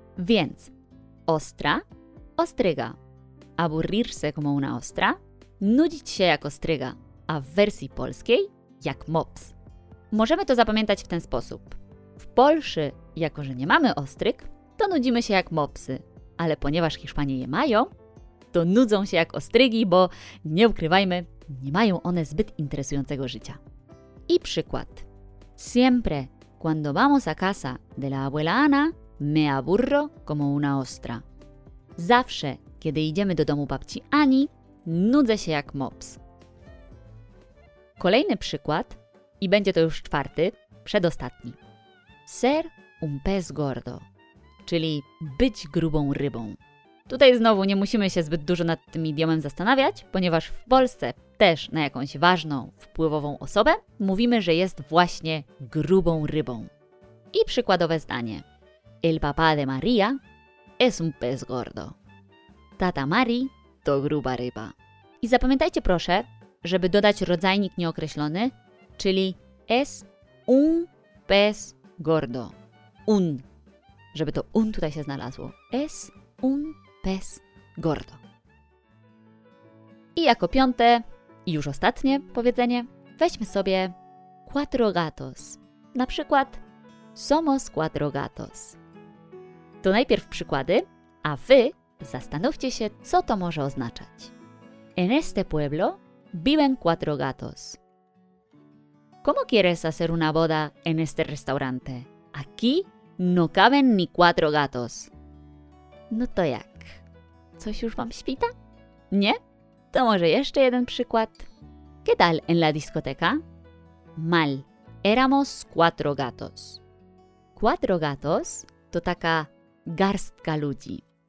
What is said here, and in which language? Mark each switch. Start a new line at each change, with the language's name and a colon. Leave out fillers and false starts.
Polish: Więc ostra, ostryga.
Spanish: Aburrirse como una ostra,
Polish: nudzić się jak ostryga, a w wersji polskiej jak mops. Możemy to zapamiętać w ten sposób. W Polsce, jako że nie mamy ostryg, to nudzimy się jak mopsy, ale ponieważ Hiszpanie je mają, to nudzą się jak ostrygi, bo nie ukrywajmy, nie mają one zbyt interesującego życia. I przykład.
Spanish: Siempre, cuando vamos a casa de la abuela Ana, me aburro como una ostra.
Polish: Zawsze, kiedy idziemy do domu babci Ani, nudzę się jak mops. Kolejny przykład, i będzie to już czwarty, przedostatni.
Spanish: Ser un pez gordo,
Polish: czyli być grubą rybą. Tutaj znowu nie musimy się zbyt dużo nad tym idiomem zastanawiać, ponieważ w Polsce też na jakąś ważną, wpływową osobę mówimy, że jest właśnie grubą rybą. I przykładowe zdanie.
Spanish: El papá de María es un pez gordo.
Polish: Tata Marii to gruba ryba. I zapamiętajcie proszę, żeby dodać rodzajnik nieokreślony, czyli
Spanish: es un pez gordo.
Polish: Un. Żeby to un tutaj się znalazło.
Spanish: Es un pez gordo.
Polish: I jako piąte, i już ostatnie powiedzenie, weźmy sobie cuatro gatos. Na przykład
Spanish: somos cuatro gatos.
Polish: To najpierw przykłady, a wy zastanówcie się, co to może oznaczać.
Spanish: En este pueblo viven cuatro gatos. ¿Cómo quieres hacer una boda en este restaurante? Aquí no caben ni cuatro gatos.
Polish: No to jak? Coś już wam świta? Nie? To może jeszcze jeden przykład.
Spanish: ¿Qué tal en la discoteca? Mal. Éramos cuatro gatos.
Polish: Cuatro gatos to taka garstka ludzi.